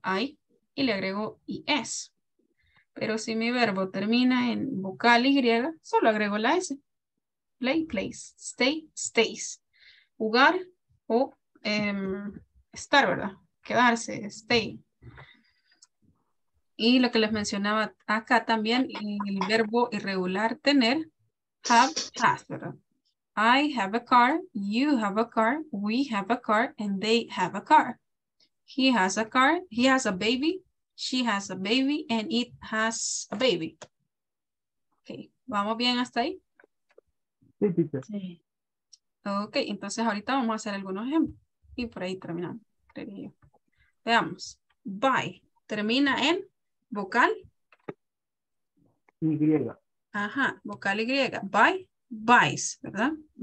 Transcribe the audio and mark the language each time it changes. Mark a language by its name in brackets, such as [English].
[Spanish] I, y le agrego IS. Pero si mi verbo termina en vocal Y, solo agrego la S. [English] Play, plays. Stay, stays. [Spanish] Jugar o estar, ¿verdad? Quedarse, [English] stay. [Spanish] Y lo que les mencionaba acá también, el verbo irregular tener, [English] have, has, [Spanish] ¿verdad? [English] I have a car, you have a car, we have a car, and they have a car. He has a car, he has a baby. She has a baby and it has a baby. [Spanish] Okay, ¿vamos bien hasta ahí? Sí, sí. Okay, entonces ahorita vamos a hacer algunos ejemplos. Y por ahí terminamos, creo yo. Veamos. [English] Bye. [Spanish] Termina en vocal. Y. Ajá, vocal Y. [English] Bye, buys, [Spanish] ¿verdad?